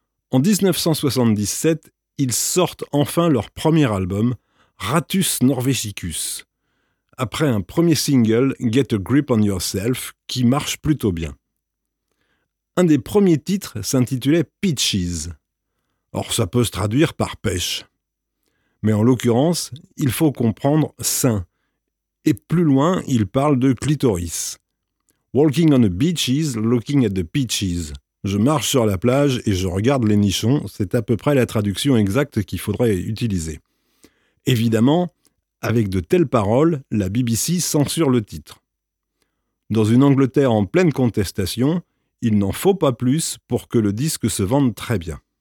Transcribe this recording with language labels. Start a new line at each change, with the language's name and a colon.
French: En 1977, ils sortent enfin leur premier album, Rattus Norvegicus, après un premier single, Get a Grip on Yourself, qui marche plutôt bien. Un des premiers titres s'intitulait Peaches. Or, ça peut se traduire par pêche. Mais en l'occurrence, il faut comprendre sein. Et plus loin, il parle de clitoris.
English: Walking on the beaches, looking at the peaches.
French: Je marche sur la plage et je regarde les nichons. C'est à peu près la traduction exacte qu'il faudrait utiliser. Évidemment, avec de telles paroles, la BBC censure le titre. Dans une Angleterre en pleine contestation, il n'en faut pas plus pour que le disque se vende très bien.